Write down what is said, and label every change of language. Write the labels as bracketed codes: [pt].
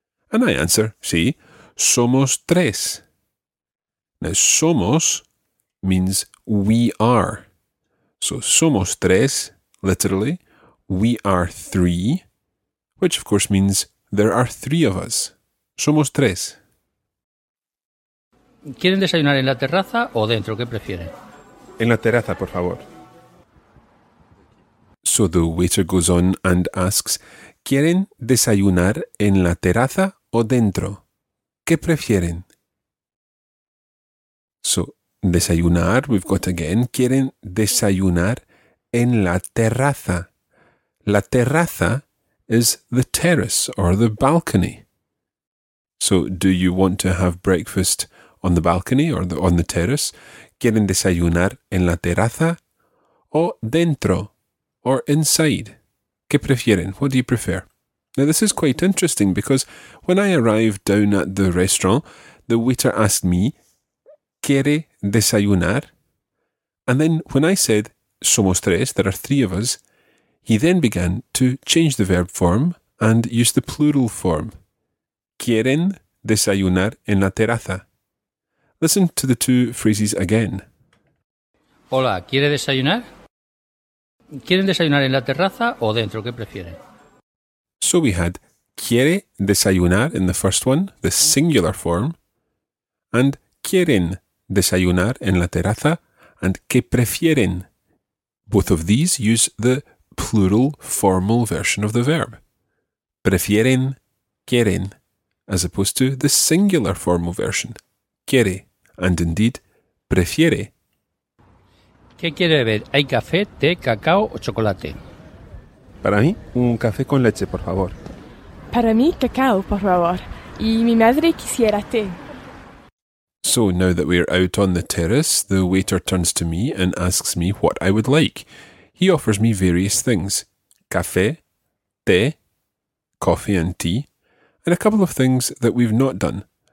[en] And I answer, [es] sí, somos tres. [en] Now, [es] somos [en] means we are. So, [es] somos tres, [en] literally, we are three, which of course means there are three of us. [es] Somos tres. ¿Quieren desayunar en la terraza o dentro? ¿Qué prefieren? En la terraza, por favor. [en] So, the waiter goes on and asks, [es] ¿Quieren desayunar en la terraza? ¿O dentro? ¿Qué prefieren? [en] So, Desayunar, we've got again. [es] Quieren desayunar en la terraza. La terraza [en] is the terrace or the balcony. So, do you want to have breakfast on the balcony or on the terrace? [es] ¿Quieren desayunar en la terraza o dentro [en] or inside? [es] ¿Qué prefieren? [en] What do you prefer? Now, this is quite interesting because when I arrived down at the restaurant, the waiter asked me, [es] ¿Quiere desayunar? [en] And then when I said, [es] somos tres, [en] there are three of us, he then began to change the verb form and use the plural form. [es] ¿Quieren desayunar en la terraza? [en] Listen to the two phrases again. [es] Hola, ¿quiere desayunar? ¿Quieren desayunar en la terraza o dentro? ¿Qué prefieren? [en] So we had [es] ¿quiere desayunar [en] in the first one, the singular form? And [es] ¿quieren desayunar en la terraza? [en] And [es] ¿qué prefieren? [en] Both of these use the plural formal version of the verb. [es] Prefieren, quieren, [en] as opposed to the singular formal version, quiere, and indeed, prefiere. [es] ¿Qué quiere beber? ¿Hay café, té, cacao o chocolate? Para mí, un café con leche, por favor. Para mí, cacao, por favor. Y mi madre quisiera té. [en] So now that we're out on the terrace, the waiter turns to me and asks me what I would like. He offers me various things. Café, té, coffee and tea, and a couple of things that we've not done.